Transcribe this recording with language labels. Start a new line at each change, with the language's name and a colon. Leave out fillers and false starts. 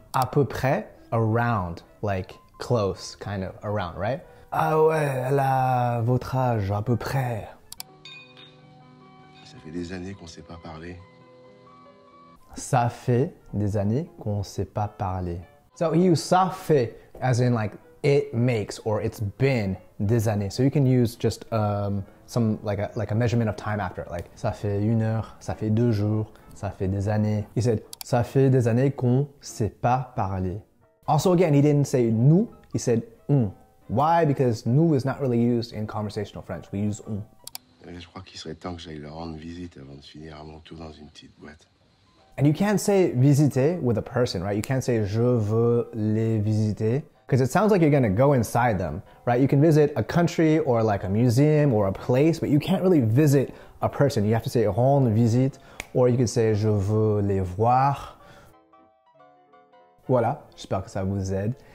French: À peu près,
English: around, like close, kind of around, right?
French: Ah ouais, elle a votre âge, à peu près. Ça fait des années qu'on ne sait pas parler. Ça fait des années qu'on ne sait pas parler.
English: So you
French: ça fait,
English: as in like it makes or it's been
French: des années.
English: So you can use just some like a measurement of time after, like
French: ça fait une heure, ça fait deux jours, ça fait des années.
English: He said
French: ça fait des années qu'on sait pas parler.
English: Also again, he didn't say nous, he said on. Why? Because nous is not really used in conversational French. We use on.
French: Et je crois qu'il serait temps que j'aille leur rendre visite avant de finir à mon tour dans une petite boîte.
English: And you can't say visiter with a person, right? You can't say
French: je veux les visiter.
English: Because it sounds like you're going to go inside them, right? You can visit a country or like a museum or a place, but you can't really visit a person. You have to say
French: rendre visite,
English: or you can say
French: je veux les voir. Voilà, j'espère que ça vous aide.